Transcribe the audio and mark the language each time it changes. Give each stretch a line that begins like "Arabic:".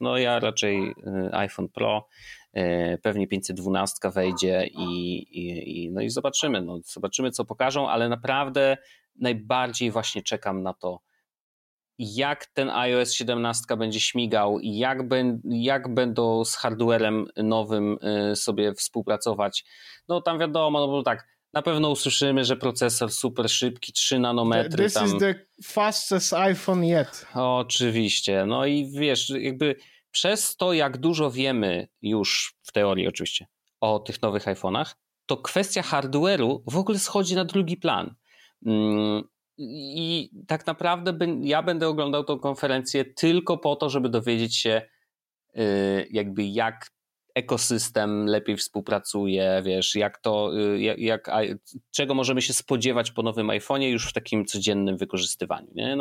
Polish: No ja raczej iPhone Pro, pewnie 512 wejdzie i zobaczymy, no zobaczymy co pokażą, ale naprawdę najbardziej właśnie czekam na to, jak ten iOS 17 będzie śmigał i jak będą z hardwarem nowym sobie współpracować. No tam wiadomo, no bo tak, na pewno usłyszymy, że procesor super szybki, 3 nanometry.
English: This is the fastest iPhone yet.
Polish: Oczywiście. No i wiesz, jakby przez to, jak dużo wiemy już w teorii oczywiście o tych nowych iPhone'ach, to kwestia hardware'u w ogóle schodzi na drugi plan. I tak naprawdę ja będę oglądał tą konferencję tylko po to, żeby dowiedzieć się jakby jak ekosystem lepiej współpracuje, wiesz, jak to, czego możemy się spodziewać po nowym iPhone'ie już w takim codziennym wykorzystywaniu, nie?